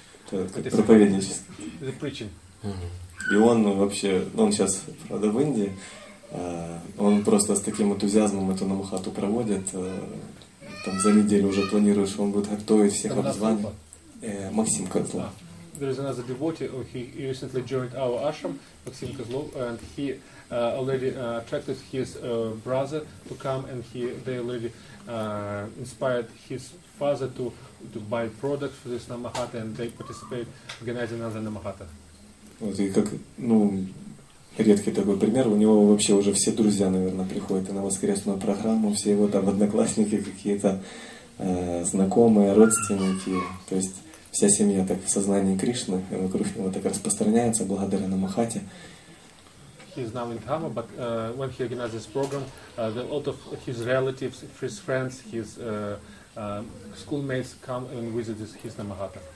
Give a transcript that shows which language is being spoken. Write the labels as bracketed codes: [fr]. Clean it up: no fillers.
[ru] Это проповеднический. [en] The preaching. [ru] И он вообще, он сейчас, правда, в Индии, он просто с таким энтузиазмом эту намахату проводит. Там за неделю уже планирует, что он будет готовить всех обзваний. Максим Козлов. [en] There is another devotee, he recently joined our ashram, Максим Козлов, and he already attracted his brother to come, and they already inspired his father to buy products for this намахата, and they participate organizing another намахата. [ru] Вот, и как, редкий такой пример, у него вообще уже все друзья, наверное, приходят на воскресную программу, все его там одноклассники какие-то, знакомые, родственники, то есть вся семья так в сознании Кришны, и вокруг него так распространяется благодаря намахате. [en] He is now in Dhamma, but when he organizes this program, a lot of his relatives, his friends, his schoolmates come and visit his намахата.